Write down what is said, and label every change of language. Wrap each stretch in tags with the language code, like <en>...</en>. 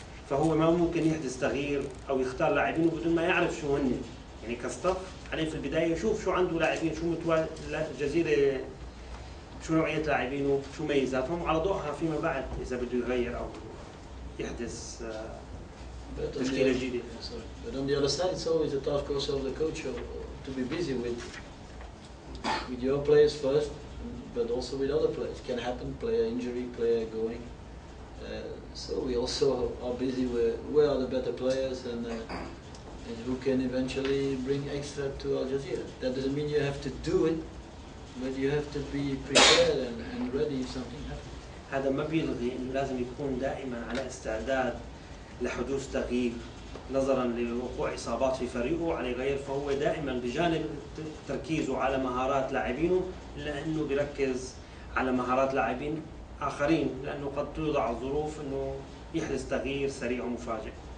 <ar>فهو ما ممكن يحدث تغيير او يختار لاعبينه بدون ما يعرف شو هن، يعني كستاف عليه في البداية يشوف شو عنده لاعبين، شو الجزيرة شو نوعية لاعبينه شو ميزاتهم على ضوءها فيما بعد إذا بده يغير أو يحدث تشكيلة جديدة.</ar> <en>But on the other side, it's always the task also of the coach to be busy with your players first, but also with other players. Can happen, player injury, player going. So we also are busy with where are the better players and who can eventually bring extra to Al Jazeera. That doesn't mean you have to do it. But you have to be prepared and ready if something happens.</en> <ar>هذا ما بيلغي إنه لازم يكون دائما على استعداد لحدوث تغيير نظرا لوقوع إصابات في فريقه على غير، فهو دائما بجانب تركيزه على مهارات لاعبينه لأنه بيركز على مهارات لاعبين آخرين لأنه قد توضع الظروف إنه يحدث تغيير سريع ومفاجئ.</ar>